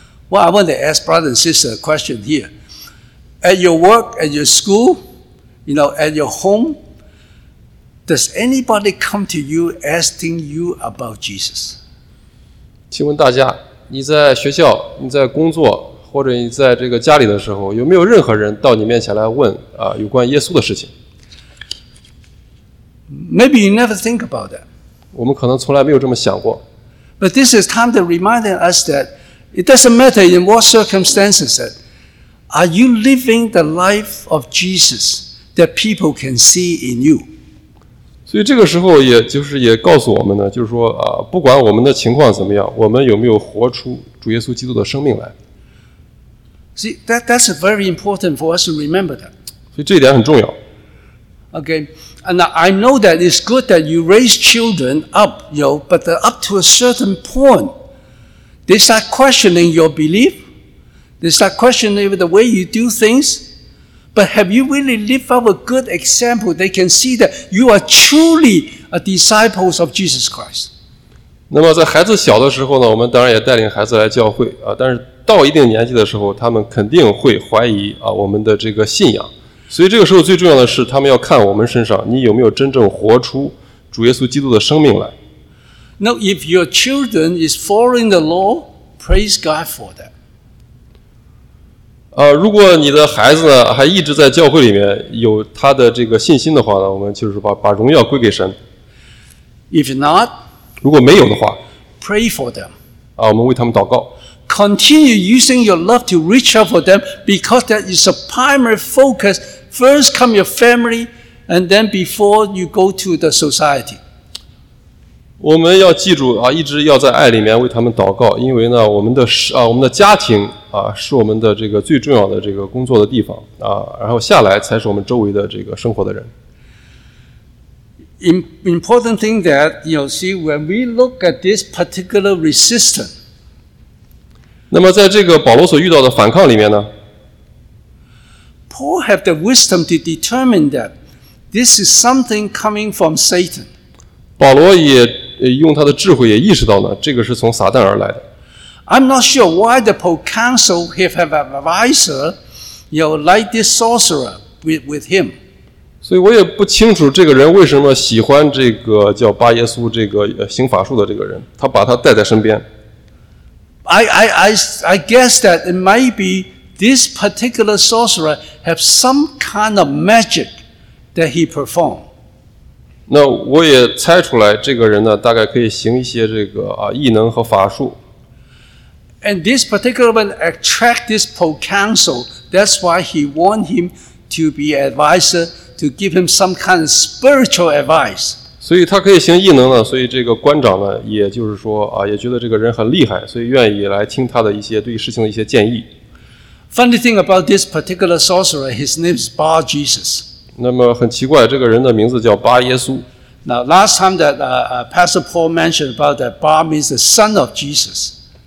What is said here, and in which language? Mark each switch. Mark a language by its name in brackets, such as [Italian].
[English] Well, I want to ask brother and sister a question here. At your work, at your school, you know, at your home,Does anybody come to you asking you about Jesus? [Chinese] 请问大家，你在学校、你在工作或者你在这个家里的时候，有没有任何人到你面前来问啊有关耶稣的事情 [English] ？Maybe you never think about that. [Chinese] 我们可能从来没有这么想过。 [English] But this is time to remind us that it doesn't matter in what circumstances. That are you living the life of Jesus that people can see in you? [Chinese] 所以这个时候也就是也告诉我们呢，就是说啊，不管我们的情况怎么样，我们有没有活出主耶稣基督的生命来。 [English] See, that's very important for us to remember that. [Chinese] 所以这一点很重要。 [English] Okay, and I know that it's good that you raise children up, you know, but up to a certain point, they start questioning your belief, they start questioning the way you do things. But have you really lived up a good example? They can see that you are truly a disciples of Jesus Christ. [Chinese] 那么在孩子小的时候呢，我们当然也带领孩子来教会啊。但是到一定年纪的时候，他们肯定会怀疑啊我们的这个信仰。所以这个时候最重要的是，他们要看我们身上，你有没有真正活出主耶稣基督的生命来。 [English] Now, if your children is following the law, praise God for that. [Chinese] 如果你的孩子呢还一直在教会里面有他的这个信心的话呢，我们就是把荣耀归给神。 [English] If not, [Chinese] 如果没有的话 [English] ，pray for them。 [Chinese] 我们为他们祷告。 [English] Continue using your love to reach out for them because that is a primary focus. First come your family, and then before you go to the society. [Chinese] 我们要记住啊，一直要在爱里面为他们祷告，因为呢，我们的家庭啊，是我们的这个最重要的这个工作的地方啊，然后下来才是我们周围的这个生活的人。 [English] Important thing that you see when we look at this particular resistance. [Chinese] 那么，在这个保罗所遇到的反抗里面呢 [English] Paul had the wisdom to determine that this is something coming from Satan. [Chinese] 保罗也用他的智慧也意识到呢，这个是从撒旦而来的。 [English] I'm not sure why the proconsul have an advisor, you know, like this sorcerer with him. [Chinese] 所以我也不清楚这个人为什么喜欢这个叫巴耶稣这个行法术的这个人，他把他带在身边。 [English] I guess that it might be this particular sorcerer have some kind of magic that he performed. [Chinese] 那我也猜出来这个人呢，大概可以行一些这个啊异能和法术。 [English] And this particular one attract this proconsul. That's why he want him to be advisor to give him some kind of spiritual advice. [Chinese] 所以他可以行异能呢，所以这个官长呢，也就是说啊，也觉得这个人很厉害，所以愿意来听他的一些对事情的一些建议。 [English] Funny thing about this particular sorcerer, his name is Bar Jesus. [Chinese] 那么很奇怪，这个人的名字叫巴耶稣。 [English] Now last time that Pastor Paul mentioned about that Bar means the son of Jesus.